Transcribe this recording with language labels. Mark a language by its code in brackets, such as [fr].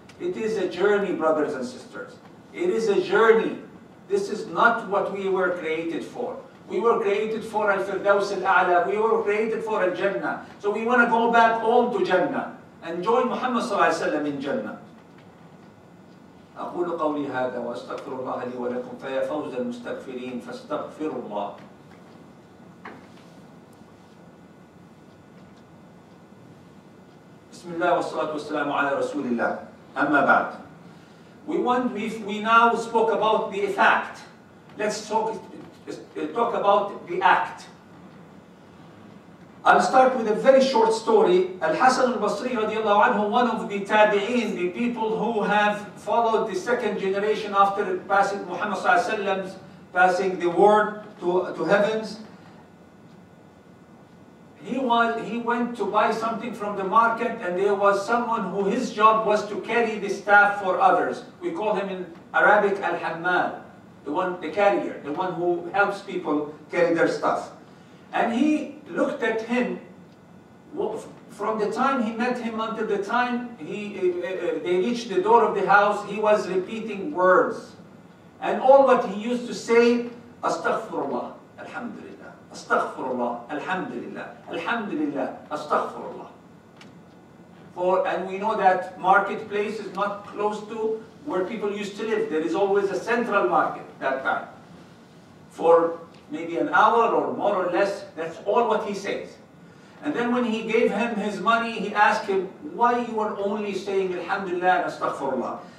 [en] It is a journey, brothers and sisters. It is a journey. This is not what we were created for. We were created for al-Firdaus al-A'la. We were created for al-Jannah. So we want to go back home to Jannah and join Muhammad [ar] صلى الله عليه وسلم [en] in Jannah. [ar] أقول قولي هذا وأستغفر الله لي ولكم فيا فوز المستغفرين فاستغفروا الله. بسم الله والصلاة والسلام على رسول الله. أما بعد. [en] We now spoke about the fact. Let's talk about the act. I'll start with a very short story. Al-Hasan al-Basri radiallahu anhu, one of the tabi'in, the people who have followed the second generation after passing Muhammad sallallahu alayhi wa sallam's passing the word to heavens. He went to buy something from the market, and there was someone who his job was to carry the staff for others. We call him in Arabic al-Hammal, the carrier, the one who helps people carry their stuff. And he looked at him from the time he met him until the time they reached the door of the house. He was repeating words, and all what he used to say, astaghfirullah, alhamdulillah. [ar] أستغفر الله الحمد لله الحمد لله أستغفر الله. [en] For and we know that marketplace is not close to where people used to live. There is always a central market that time. For maybe an hour or more or less, that's all what he says. And then when he gave him his money, he asked him, why you are only saying Alhamdulillah and [ar] أستغفر الله?